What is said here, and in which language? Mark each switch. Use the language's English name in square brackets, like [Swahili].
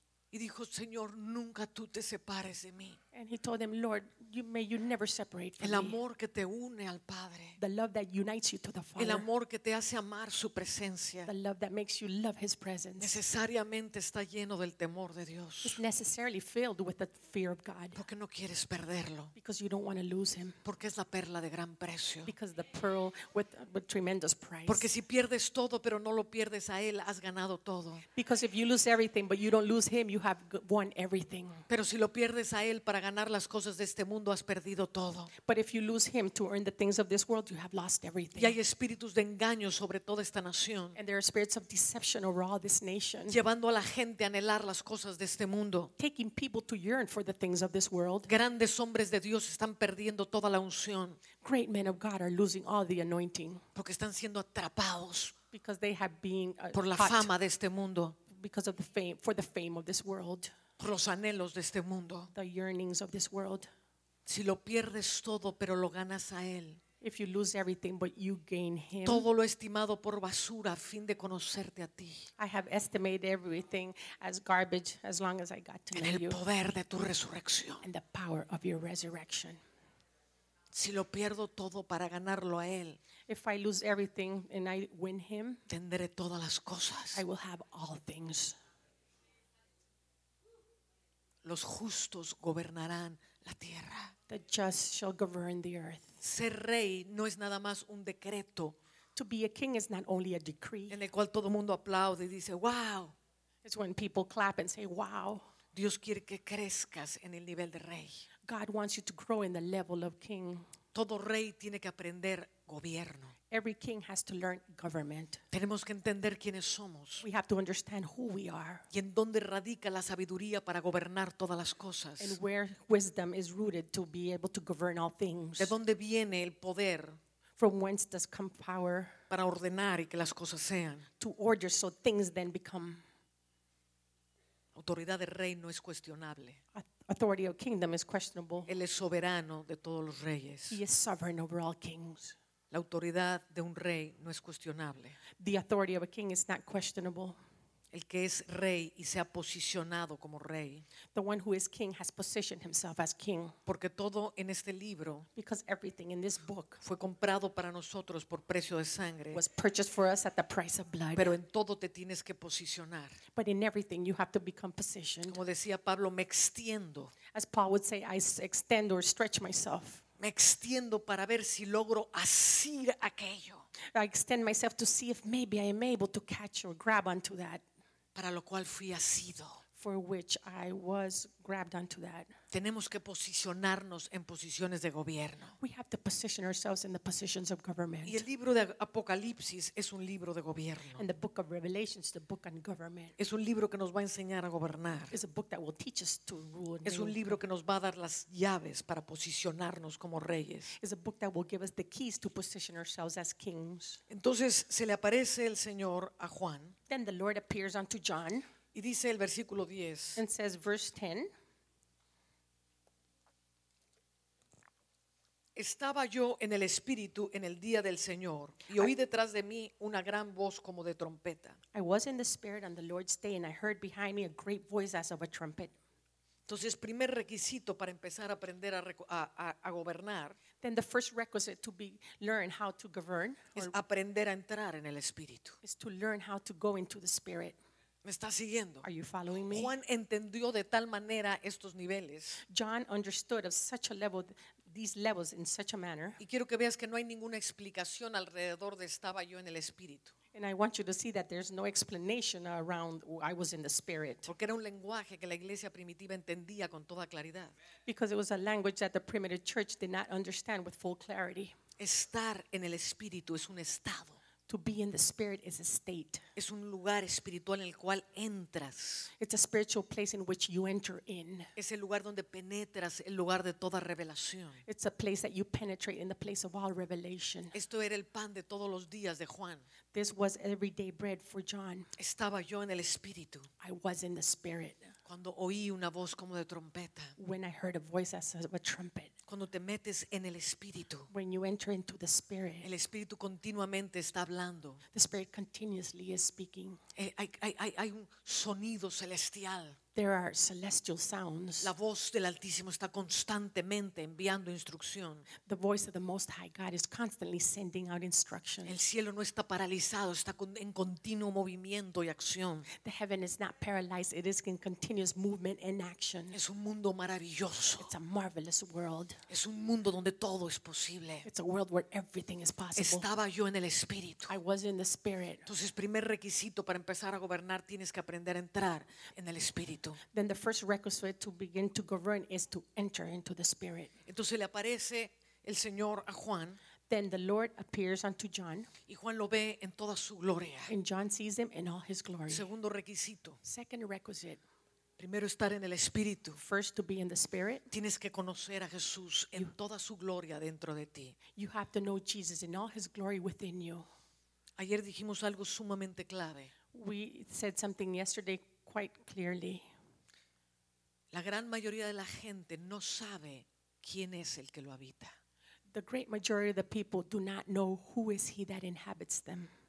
[Spanish] Y dijo, Señor, nunca tú te separes de mí. [English] And he told him, Lord, may you never separate from [Spanish] me. El amor que te une al Padre. [English] The love that unites you to the Father. [Spanish] El amor que te hace amar su presencia. [English] The love that makes you love his presence. [Spanish] Necesariamente está lleno del temor de Dios. [English] It's necessarily filled with the fear of God. [Spanish] Porque no quieres perderlo. [English] Because you don't want to lose him. [Spanish] Porque es la perla de gran precio. [English] Because the pearl with tremendous price. [Spanish] Porque si pierdes todo pero no lo pierdes a él, has ganado todo. [English] Because if you lose everything but you don't lose him, you have won everything. [Spanish] Pero si lo pierdes a él para ganar las cosas de este mundo, has perdido todo. [English] But if you lose him to earn the things of this world, you have lost everything. [Spanish] Y hay espíritus de engaño sobre toda esta nación. [English] And there are spirits of deception over all this nation. [Spanish] Llevando a la gente a anhelar las cosas de este mundo. [English] Taking people to yearn for the things of this world. [Spanish] Grandes hombres de Dios están perdiendo toda la unción. [English] Great men of God are losing all the anointing. [Spanish] Porque están siendo atrapados. [English] Because they have been [Spanish] por la fama de este mundo. [English] Because of the fame, for the fame of this world. [Spanish] Por los anhelos de este mundo. [English] The yearnings of this world. [Spanish] Si lo pierdes todo pero lo ganas a él. [English] If you lose everything but you gain him. [Spanish] Todo lo estimado por basura a fin de conocerte a ti. [English] I have estimated everything as garbage as long as I got to know you. [Spanish] En el poder de tu resurrección. [English] And the power of your resurrection. [Spanish] Si lo pierdo todo para ganarlo a él. [English] If I lose everything and I win him. [Spanish] Tendré todas las cosas. [English] I will have all things. [Spanish] Los justos gobernarán la tierra. [English] The just shall govern the earth. [Spanish] Ser rey no es nada más un decreto. [English] To be a king is not only a decree. [Spanish] En el cual todo mundo aplaude y dice, wow. [English] It's when people clap and say, wow. [Spanish] Dios quiere que crezcas en el nivel de rey. [English] God wants you to grow in the level of king. [Spanish] Todo rey tiene que aprender gobierno. [English] Every king has to learn government. [Spanish] Tenemos que entender quiénes somos. [English] We have to understand who we are. [Spanish] Y en dónde radica la sabiduría para gobernar todas las cosas. [English] And where wisdom is rooted to be able to govern all things. [Spanish] De dónde viene el poder. [English] From whence does come power. [Spanish] Para ordenar y que las cosas sean. [English] To order so things then become. [Spanish] Autoridad de rey no es cuestionable. [English] Authority of kingdom is questionable. [Spanish] Él es soberano de todos los reyes. [English] He is sovereign over all kings. [Spanish] La autoridad de un rey no es cuestionable. [English] The authority of a king is not questionable. [Spanish] El que es rey y se ha posicionado como rey. [English] The one who is king has positioned himself as king. [Spanish] Porque todo en este libro. [English] Because everything in this book. [Spanish] Fue comprado para nosotros por precio de sangre. [English] Was purchased for us at the price of blood. [Spanish] Pero en todo te tienes que posicionar. [English] But in everything you have to become positioned. [Spanish] Como decía Pablo, me extiendo. [English] As Paul would say, I extend or stretch myself. [Spanish] Me extiendo para ver si logro asir aquello. [English] I extend myself to see if maybe I am able to catch or grab onto that. [Spanish] Para lo cual fui asido. [English] For which I was grabbed onto that. [Spanish] Tenemos que posicionarnos en posiciones de gobierno. [English] We have to position ourselves in the positions of government. [Spanish] Y el libro de Apocalipsis es un libro de gobierno. [English] And the book of Revelation is the book on government. [Spanish] Es un libro que nos va a enseñar a gobernar. [English] It's a book that will teach us to rule. [Spanish] Es un libro que nos va a dar las llaves para posicionarnos como reyes. [English] It's a book that will give us the keys to position ourselves as kings. [Spanish] Entonces se le aparece el Señor a Juan. [English] Then the Lord appears unto John. [Spanish] Y dice el versículo 10. [English] And says verse 10. [Spanish] Estaba yo en el Espíritu en el día del Señor y oí detrás de mí una gran voz como de trompeta. [English] I was in the Spirit on the Lord's day and I heard behind me a great voice as of a trumpet. [Spanish] Entonces, primer requisito para empezar a aprender a gobernar. [English] Then the first requisite to be learn how to govern. [Spanish] Es aprender a entrar en el Espíritu. [English] Is to learn how to go into the Spirit. [Spanish] ¿Me está siguiendo? [English] Are you following me? [Spanish] Juan entendió de tal manera estos niveles. [English] John understood of such a level, these levels in such a manner. [Spanish] Y quiero que veas que no hay ninguna explicación alrededor de estaba yo en el Espíritu. [English] And I want you to see that there's no explanation around I was in the Spirit. [Spanish] Porque era un lenguaje que la iglesia primitiva entendía con toda claridad. [English] Because it was a language that the primitive church did not understand with full clarity. [Spanish] Estar en el Espíritu es un estado. [English] To be in the Spirit is a state. [Spanish] Es un lugar espiritual en el cual entras. [English] It's a spiritual place in which you enter in. [Spanish] Es el lugar donde penetras el lugar de toda revelación. [English] It's a place that you penetrate in the place of all revelation. [Spanish] Esto era el pan de todos los días de Juan. [English] This was everyday bread for John. [Spanish] Estaba yo en el Espíritu. [English] I was in the Spirit. [Spanish] Cuando oí una voz como de trompeta. [English] When I heard a voice as of a trumpet. [Spanish] Cuando te metes en el Espíritu. [English] When you enter into the Spirit. [Spanish] El Espíritu continuamente está hablando. [English] The Spirit continuously is speaking. [Spanish] Hay un sonido celestial. [English] There are celestial sounds. [Spanish] La voz del Altísimo está constantemente enviando instrucción. [English] The voice of the Most High God is constantly sending out instructions. [Spanish] El cielo no está paralizado, está en continuo movimiento y acción. [English] The heaven is not paralyzed, it is in continuous movement and action. [Spanish] Es un mundo maravilloso. [English] It's a marvelous world. [Spanish] Es un mundo donde todo es posible. [English] It's a world where everything is possible. [Spanish] Estaba yo en el Espíritu. [English] I was in the Spirit. [Spanish] Entonces, primer requisito para empezar a gobernar, tienes que aprender a entrar en el Espíritu. [English] Then the first requisite to begin to govern is to enter into the Spirit. [Spanish] Entonces le aparece el Señor a Juan. [English] Then the Lord appears unto John. [Spanish] Y Juan lo ve en toda su gloria. [English] And John sees him in all his glory. [Spanish] Segundo requisito. [English] Second requisite. [Spanish] Primero estar en el Espíritu. [English] First to be in the Spirit. [Spanish] Tienes que conocer a Jesús en toda su gloria dentro de ti. [English] You have to know Jesus in all his glory within you. [Spanish] Ayer dijimos algo sumamente clave. [English] We said something yesterday. Quite clearly, [Spanish] la gran mayoría de la gente no sabe quién es el que lo habita. [English] The great majority of the people do not know who is he that inhabits them.